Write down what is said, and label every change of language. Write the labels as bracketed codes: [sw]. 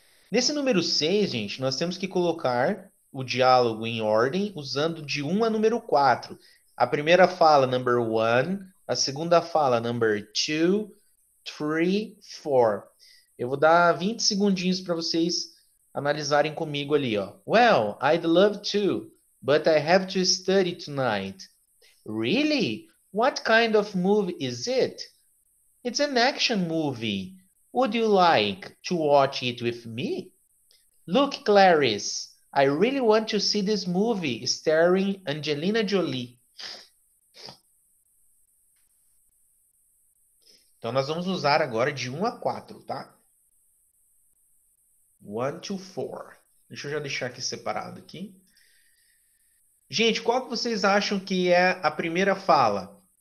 [pt] Nesse número 6, gente, nós temos que colocar o diálogo em ordem usando de 1 a número 4. A primeira fala, number 1. A segunda fala, number 2, 3, 4. Eu vou dar 20 segundinhos para vocês analisarem comigo ali, ó. [en] Well, I'd love to, but I have to study tonight. Really? What kind of movie is it? It's an action movie. Would you like to watch it with me? Look, Clarice, I really want to see this movie starring Angelina Jolie. [pt] Então nós vamos usar agora de 1 a 4, tá? 1 to 4. Deixa eu já deixar aqui separado aqui. Gente, qual que vocês acham que é a primeira fala?